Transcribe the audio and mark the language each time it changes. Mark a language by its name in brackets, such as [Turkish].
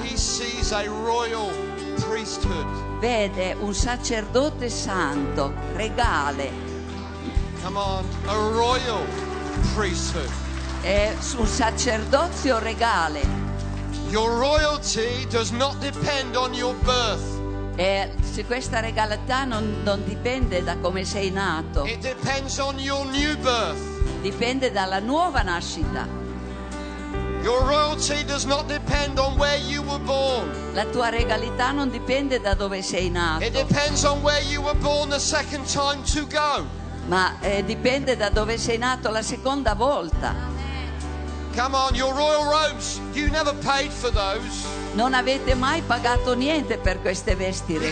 [English] he sees a royal priesthood. [Italian] Vede un sacerdote santo, regale. [English] Come on, a royal priesthood. [Italian] È un sacerdozio regale. [English] Your royalty does not depend on your birth. [Italian] E se questa regalità non dipende da come sei nato. [English] It depends on your new birth. [Italian] Dipende dalla nuova nascita. [English] Your royalty does not depend on where you were born. [Italian] La tua regalità non dipende da dove sei nato. [English] It depends on where you were born the second time to go. [Italian] Ma dipende da dove sei nato la seconda volta. [English] Come on, your royal robes, you never paid for those. [Italian] Non avete mai pagato niente per queste vesti regali.